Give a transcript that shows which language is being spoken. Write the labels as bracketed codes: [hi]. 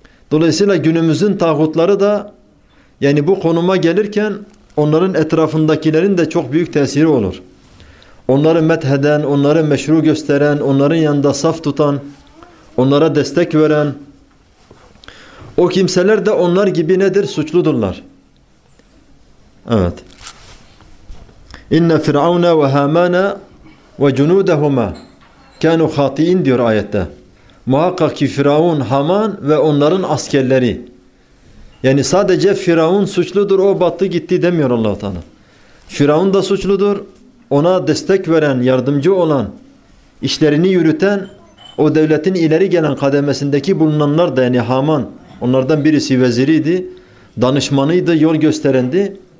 [tr] Dolayısıyla günümüzün tağutları da yani bu konuma gelirken onların etrafındakilerin de çok büyük tesiri olur. Onları metheden, onları meşru gösteren, onların yanında saf tutan, onlara destek veren o kimseler de onlar gibi nedir? Suçludurlar. Evet. [ar] اِنَّ فِرْعَوْنَا وَهَامَانَا وَجُنُودَهُمَا كَانُوا خَاطِئِينَ [tr] diyor ayette. Muhakkak ki Firavun, Haman ve onların askerleri. Yani sadece Firavun suçludur, o battı gitti demiyor Allah-u Teala. Firavun da suçludur, ona destek veren, yardımcı olan, işlerini yürüten, o devletin ileri gelen kademesindeki bulunanlar da, yani Haman, onlardan birisi veziriydi, danışmanıydı, yol gösterendi.